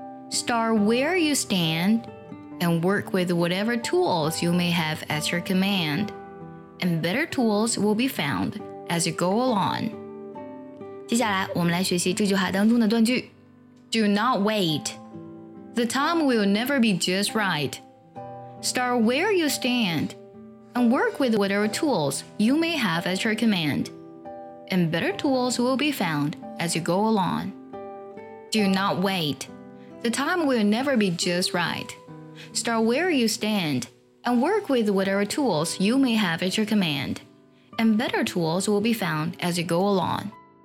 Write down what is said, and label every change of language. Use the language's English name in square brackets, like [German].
[English] Start where you stand and work with whatever tools you may have at your command. And better tools will be found as you go along. [Chinese] 接下来我们来学习这句话当中的断句。 [English] Do not wait. The time will never be just right. Start where you stand and work with whatever tools you may have at your command. And better tools will be found as you go along. Do not wait. The time will never be just right. Start where you stand and work with whatever tools you may have at your command. And better tools will be found as you go along.